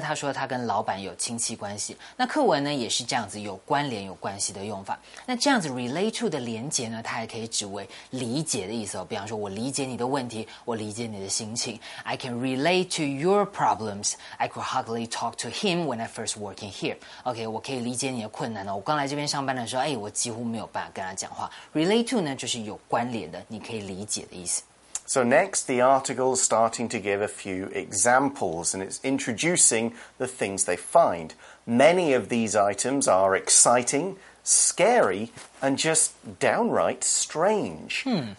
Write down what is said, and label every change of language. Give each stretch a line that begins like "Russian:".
Chinese: 他说他跟老板有亲戚关系。那课文呢也是这样子有关联有关系的用法。那这样子 relate to 的连结呢，它还可以指为理解的意思哦。比方说我理解你的问题，我理解你的心情。
English: I can relate to your problems. I could hardly talk to him when I first working here.
Chinese: OK, 我可以理解你的困难呢。我刚来这边上班的时候，哎，我几乎没有办法跟他讲话。 Relate to 呢，就是有关联的，你可以理解的意思。
English: So next, the article is starting to give a few examples, and it's introducing the things they find. Many of these items are exciting, scary, and just downright strange. Hmm.